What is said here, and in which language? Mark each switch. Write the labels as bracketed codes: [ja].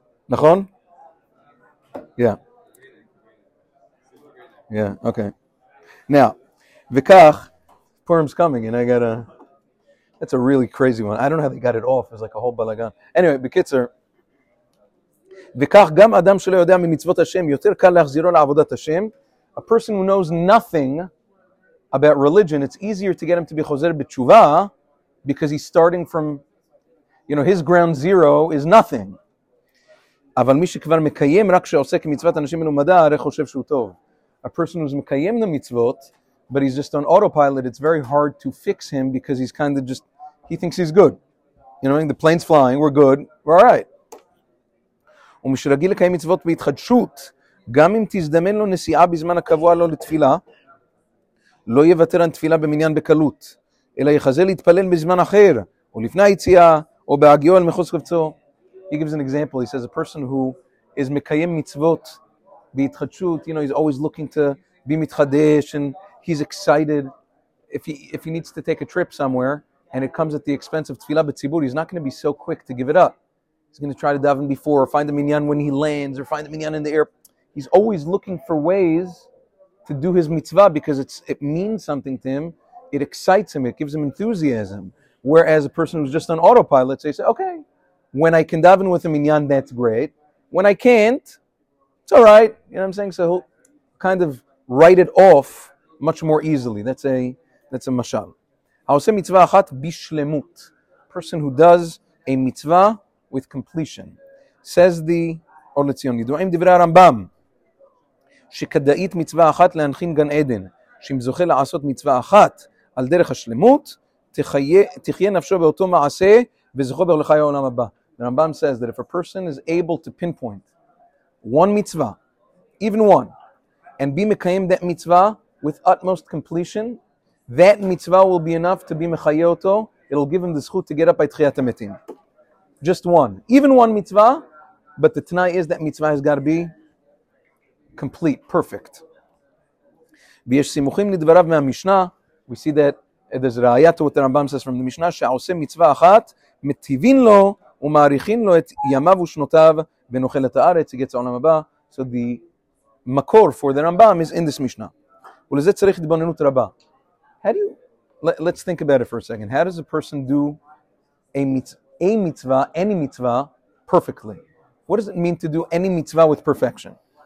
[en] Nachon? Yeah. Yeah, okay. Now, Vikach, Purim's coming, and I got a... That's a really crazy one. I don't know how they got it off. It was like a whole balagan. Anyway, Bekitzer. [he] וכך גם אדם שלא יודע ממצוות השם יותר קל להחזירו לעבודת השם. [en] A person who knows nothing about religion, it's easier to get him to be חוזר בתשובה because he's starting from, you know, his ground zero is nothing. [he] אבל מי שכבר מקיים רק שעושה כמצוות אנשים מלומדה, הרי חושב שהוא טוב. [en] A person who's מקיים the mitzvot, but he's just on autopilot, it's very hard to fix him because he's kind of just, he thinks he's good. You know, the plane's flying, we're good, we're all right. [he] ומשרגיל לקיים מצוות בהתחדשות, גם אם תזדמן לו נסיעה בזמן הקבוע לו לתפילה, לא יוותר על תפילה במניין בקלות, אלא יחזה להתפלל בזמן אחר, או לפני היציאה, או בהגיעו אל מחוץ קבצו. [en] He gives an example. He says, a person who is [he] מקיים מצוות בהתחדשות, [en] you know, he's always looking to be מתחדש, and he's excited. If he needs to take a trip somewhere, and it comes at the expense of תפילה בציבור, he's not going to be so quick to give it up. He's going to try to daven before, or find the minyan when he lands, or find the minyan in the air. He's always looking for ways to do his mitzvah because it means something to him. It excites him. It gives him enthusiasm. Whereas a person who's just on autopilot, they say, okay, when I can daven with a minyan, that's great. When I can't, it's all right. You know what I'm saying? So he'll kind of write it off much more easily. That's a mashal. [he] Ha'oseh mitzvah achat bishlemut. [en] Person who does a mitzvah with completion, says the Or Lizion. [he] Yiduim divrei Rambam שכדאית מצווה אחת להנחין גן עדן, שאם זוכה לעשות מצווה אחת על דרך השלמות, תחיה נפשו באותו מעשה וזוכה ברלכי העולם הבא. [en] Rambam says that if a person is able to pinpoint one mitzvah, even one, and be mekayem that mitzvah with utmost completion, that mitzvah will be enough to be [he] mechayeh oto. [en] It'll give him the zechut to get up by tchiyat hametim. Just one, even one mitzvah, but the tnai is that mitzvah has got to be complete, perfect. [he] V'yesh simuchim nidvarav mehamishnah. [en] We see that there's ra'aya to what the Rambam says from the Mishnah. [he] She'oseh mitzvah achat metivin lo ומעריכים לו את ימיו ושנותיו ונוחל את הארץ, יגיע את העולם הבא. [en] So the makor for the Rambam is in this Mishnah. [he] ולזה צריך התבוננות רבה. [en] Let's think about it for a second. How does a person do a mitzvah, any mitzvah, perfectly? What does it mean to do any mitzvah with perfection?